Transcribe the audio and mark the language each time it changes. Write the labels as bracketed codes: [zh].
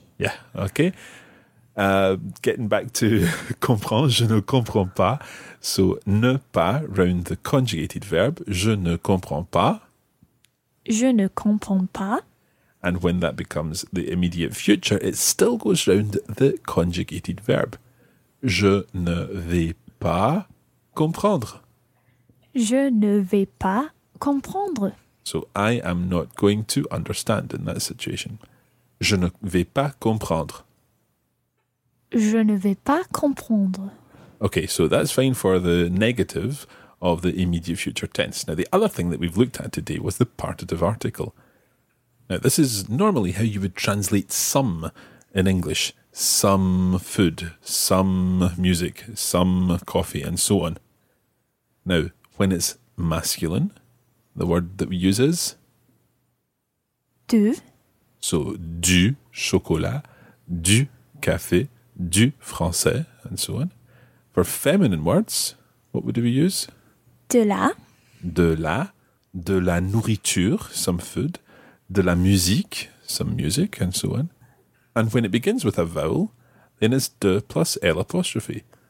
[en] Yeah, okay. Getting back to comprends, [fr] je ne comprends pas. [en] So, ne pas, round the conjugated verb. [fr] Je ne comprends pas. Je ne comprends pas. [en] And when that becomes the immediate future, it still goes round the conjugated verb. [fr] Je ne vais pas comprendre. Je ne vais pas comprendre. [en] So I am not going to understand in that situation. [fr] Je ne vais pas comprendre. Je ne vais pas comprendre. [en] Okay, so that's fine for the negative of the immediate future tense. Now, the other thing that we've looked at today was the partitive article. Now, this is normally how you would translate some in English. Some food, some music, some coffee, and so on. Now, when it's masculine, the word that we use is... [fr] Du. So, du chocolat, du café, du français, [en] and so on. For feminine words, what would we use? [fr] De la. De la. De la nourriture, [en] some food. [fr] De la musique, [en] some music, and so on. And when it begins with a vowel, then it's de plus L apostrophe.